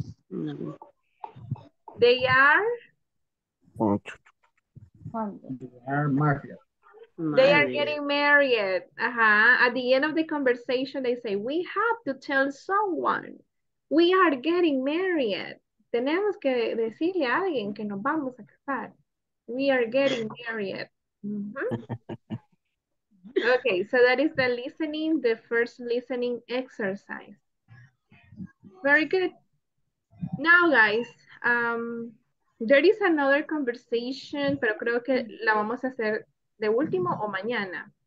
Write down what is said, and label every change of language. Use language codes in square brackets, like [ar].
[en] No. They are? They are married. They are getting married. Uh-huh. At the end of the conversation, they say, we have to tell someone. We are getting married. [es] Tenemos que decirle a alguien que nos vamos a casar. [en] We are getting married. Mm-hmm. Okay, so that is the listening, the first listening exercise. Very good. Now, guys, there is another conversation, [es] pero creo que la vamos a hacer de último o mañana.